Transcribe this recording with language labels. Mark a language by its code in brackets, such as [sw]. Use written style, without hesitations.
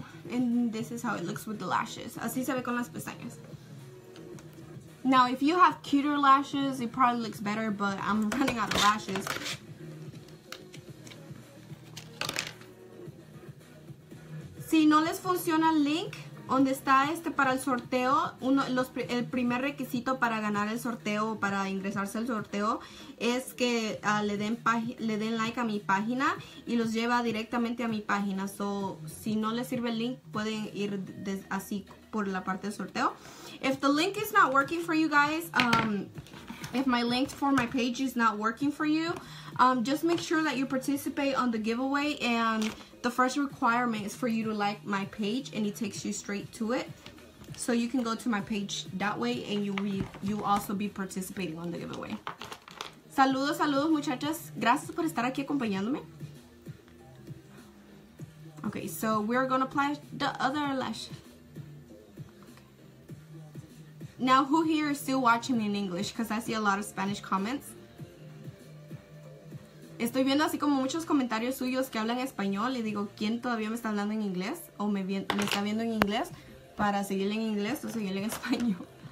[en] And this is how it looks with the lashes. [es] Así se ve con las pestañas. [en] Now, if you have cuter lashes, it probably looks better, but I'm running out of lashes. [es] Si no les funciona el link, donde está este para el sorteo, el primer requisito para ganar el sorteo, para ingresarse al sorteo, es que le den like a mi página y los lleva directamente a mi página. So, si no les sirve el link, pueden ir así por la parte del sorteo. [en] If the link is not working for you guys, if my link for my page is not working for you, just make sure that you participate on the giveaway. And the first requirement is for you to like my page, and it takes you straight to it. So you can go to my page that way, and you also be participating on the giveaway. [es] Saludos, saludos, muchachas. Gracias por estar aquí acompañándome. [en] Okay, so we're gonna apply the other lash. Now, who here is still watching me in English? Because I see a lot of Spanish comments. [es] Estoy viendo así como muchos comentarios suyos que hablan español y digo, ¿quién todavía me está hablando en inglés? O me está viendo en inglés para seguirle en inglés o seguirle en español.